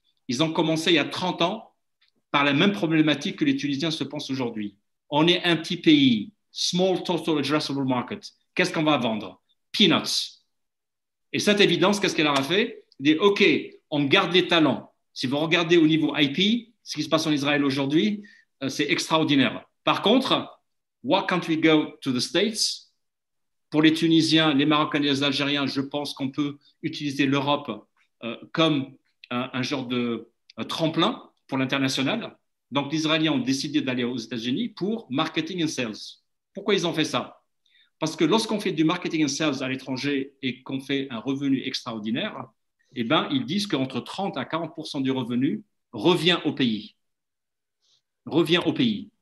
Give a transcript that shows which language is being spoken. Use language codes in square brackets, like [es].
[fr] Ils ont commencé il y a 30 ans par la même problématique que les Tunisiens se pensent aujourd'hui. On est un petit pays, [en] small total addressable market. [fr] Qu'est-ce qu'on va vendre? Peanuts. Et cette évidence, qu'est-ce qu'elle aura fait? Elle dit, OK, on garde les talents. Si vous regardez au niveau IP, ce qui se passe en Israël aujourd'hui, c'est extraordinaire. Par contre, [en] why can't we go to the States? [fr] Pour les Tunisiens, les Marocains et les Algériens, je pense qu'on peut utiliser l'Europe comme un genre de tremplin pour l'international. Donc, les Israéliens ont décidé d'aller aux États-Unis pour marketing and sales. Pourquoi ils ont fait ça? Parce que lorsqu'on fait du marketing and sales à l'étranger et qu'on fait un revenu extraordinaire, eh ben, ils disent qu'entre 30 à 40% du revenu revient au pays. Revient au pays.